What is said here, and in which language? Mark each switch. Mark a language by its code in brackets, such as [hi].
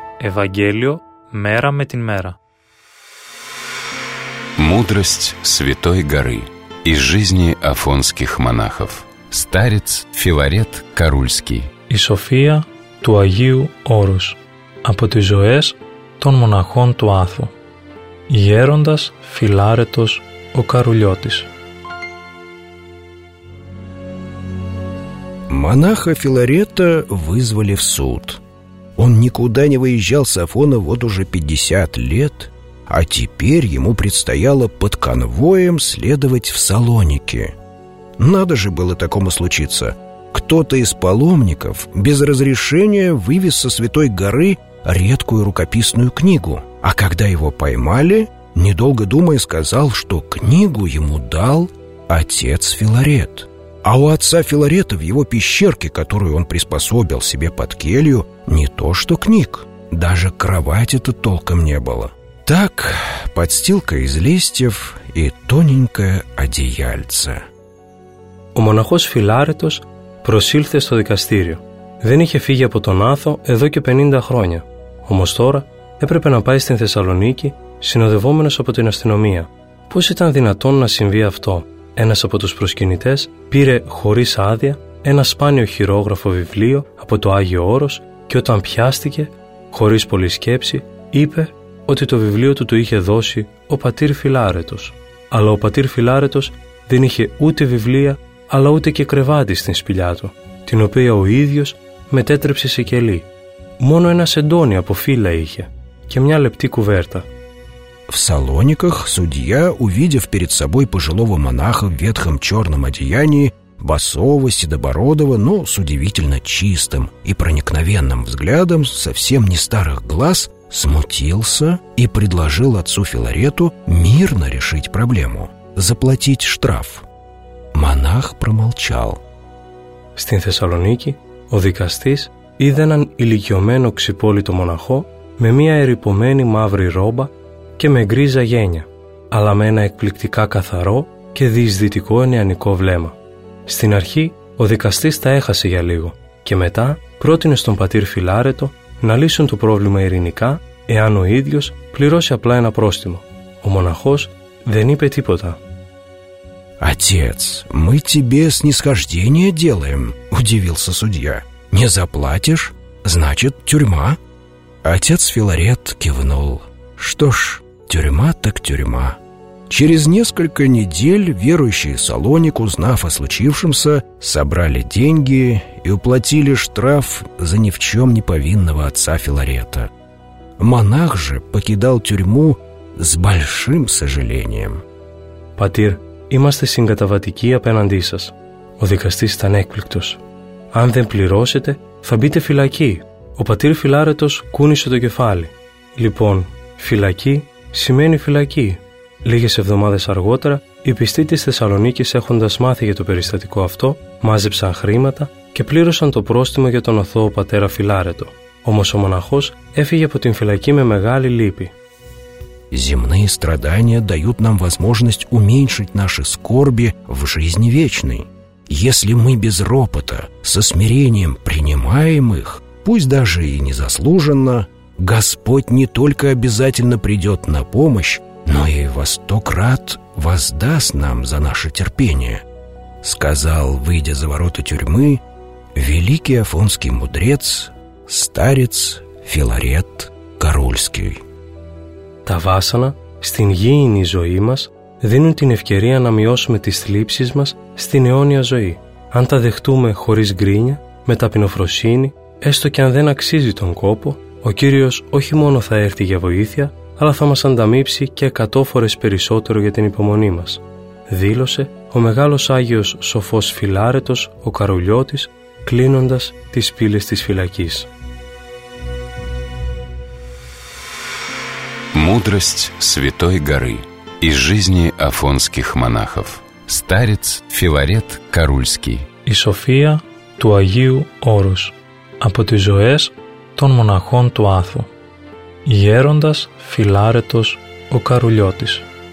[ru] Евангелие мера με την мера. Мудрость Святой Горы из жизни афонских монахов. Старец Филарет Карульский. [el] И София του Αγίου Όρους από τις ζωές των μοναχών του Άθου. Γέροντας Φιλάρετος ο Καρουλιώτης. [ru] Монаха Филарета вызвали в суд. Он никуда не выезжал с Афона вот уже 50 лет, а теперь ему предстояло под конвоем следовать в Салоники. Надо же было такому случиться. Кто-то из паломников без разрешения вывез со Святой Горы редкую рукописную книгу, а когда его поймали, недолго думая, сказал, что книгу ему дал отец Филарет. А у отца Филарета в его пещерке, которую он приспособил себе под келью, не то что книг, даже кровати-то толком не было. Так, подстилка из листьев и тоненькое одеяльце. У монахов [el] Филаретос προσήλθε στο δικαστήριο. Δεν είχε φύγει από τον Άθο εδώ και 50 χρόνια. Όμως τώρα έπρεπε να πάει στην Θεσσαλονίκη συνοδευόμενος από την αστυνομία. Πώς ήταν δυνατόν να συμβεί αυτό? Ένας από τους προσκυνητές πήρε χωρίς άδεια ένα σπάνιο χειρόγραφο βιβλίο από το Άγιο Όρος και όταν πιάστηκε, χωρίς πολλή σκέψη, είπε ότι το βιβλίο του το είχε δώσει ο πατήρ Φιλάρετος. Αλλά ο πατήρ Φιλάρετος δεν είχε ούτε βιβλία αλλά ούτε και κρεβάτι στην σπηλιά του, την οποία ο ίδιος μετέτρεψε σε κελί. Μόνο ένα σεντόνι από φύλλα είχε και μια λεπτή κουβέρτα. [ru] В Салониках судья, увидев перед собой пожилого монаха в ветхом черном одеянии, босого, седобородого, но с удивительно чистым и проникновенным взглядом, совсем не старых глаз, смутился и предложил отцу Филарету мирно решить проблему, заплатить штраф. Монах промолчал. [el] Στην Θεσσαλονίκη, ο δικαστής είδε έναν ηλικιωμένο ξυπόλυτο μοναχό με μια ερυπωμένη μαύρη ρόμπα και με γκρίζα γένια, αλλά με ένα εκπληκτικά καθαρό και διεισδυτικό νεανικό βλέμμα. Στην αρχή, ο δικαστής τα έχασε για λίγο και μετά πρότεινε στον πατήρ Φιλάρετο να λύσουν το πρόβλημα ειρηνικά εάν ο ίδιος πληρώσει απλά ένα πρόστιμο. Ο μοναχός δεν είπε τίποτα. [ru] «Отец, мы тебе снисхождение делаем», – удивился судья. «Не заплатишь? Значит, тюрьма?» Отец Филарет кивнул. «Что ж, тюрьма так тюрьма». Через несколько недель верующие Салоник, узнав о случившемся, собрали деньги и уплатили штраф за ни в чем не повинного отца Филарета. Монах же покидал тюрьму с большим сожалением. [el] «Патир, είμαστε συγκαταβατικοί απέναντί σας». Ο δικαστής ήταν έκπληκτος. «Αν δεν πληρώσετε, θα μπείτε φυλακή». Ο πατήρ Φιλάρετος κούνησε το κεφάλι. «Λοιπόν, φυλακή σημαίνει φυλακή». Λίγες εβδομάδες αργότερα, οι πιστοί της Θεσσαλονίκης, έχοντας μάθει για το περιστατικό αυτό, μάζεψαν χρήματα και πλήρωσαν το πρόστιμο για τον αθώο πατέρα Φιλάρετο. Όμως ο μοναχός έφυγε από την φυλακή με μεγάλη λύπη. [ru] «Земные страдания дают нам возможность уменьшить наши скорби в жизни вечной. Если мы без ропота, со смирением принимаем их, пусть даже и незаслуженно, Господь не только обязательно придет на помощь, но и во сто крат воздаст нам за наше терпение», сказал, выйдя за ворота тюрьмы, великий афонский мудрец, старец Филарет Карульский. [el] Τα βάσανα στην γήινη ζωή μας δίνουν την ευκαιρία να μειώσουμε τις θλίψεις μας στην αιώνια ζωή. Αν τα δεχτούμε χωρίς γκρίνια, με ταπεινοφροσύνη, έστω και αν δεν αξίζει τον κόπο, ο Κύριος όχι μόνο θα έρθει για βοήθεια, αλλά θα μας ανταμείψει και 100 φορές περισσότερο για την υπομονή μας. Δήλωσε ο μεγάλος Άγιος Σοφός Φιλάρετος, ο Καρουλιώτης, κλείνοντας τις πύλες της φυλακής. [ru] Мудрость Святой Горы из жизни афонских монахов. Старец Филарет Карульский. [el] И София του Агию Όρους. Από τις ζωές των μοναχών του Άθου. Γέροντας Φιλάρετος ο Καρουλιώτης.